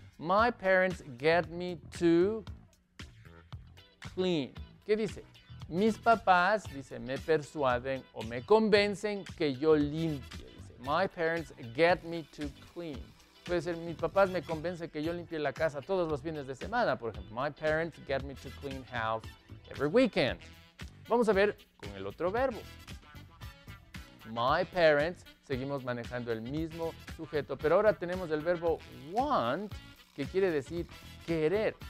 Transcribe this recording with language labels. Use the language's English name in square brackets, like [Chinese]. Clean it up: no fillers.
[English] My parents get me to clean. [Spanish] ¿Qué dice? Mis papás, dice, me persuaden o me convencen que yo limpie. [English] Dice, my parents get me to clean. [Spanish] Puede ser, mis papás me convencen que yo limpie la casa todos los fines de semana, por ejemplo. [English] My parents get me to clean house every weekend. [Spanish] Vamos a ver con el otro verbo. [English] My parents, [Spanish] seguimos manejando el mismo sujeto, pero ahora tenemos el verbo want, que quiere decir querer.